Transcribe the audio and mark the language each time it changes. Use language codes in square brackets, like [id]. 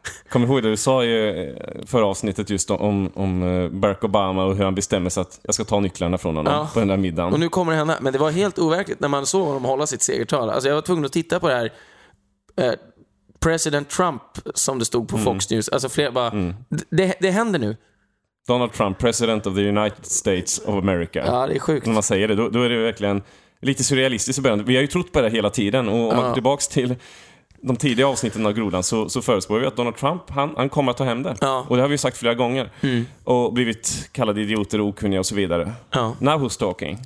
[sv] Kom ihåg det du sa ju förra avsnittet just om Barack Obama och hur han bestämmer sig att jag ska ta nycklarna från honom på den där middagen. Och nu kommer det hända, men det var helt overkligt när man såg honom hålla sitt segertal. Alltså jag var tvungen att titta på det här President Trump som det stod på Fox News. Alltså flera bara det händer nu. [en] Donald Trump, president of the United States of America. [sv] Ja, det är sjukt. När man säger det, då är det verkligen lite surrealistiskt i början. Vi har ju trott på det hela tiden. Och om man går tillbaka till de tidiga avsnitten av Grodan så förespår vi att Donald Trump, han kommer att ta hem det. Ja. Och det har vi ju sagt flera gånger. Mm. Och blivit kallade idioter, okunniga och så vidare. Ja. [en] Now who's talking?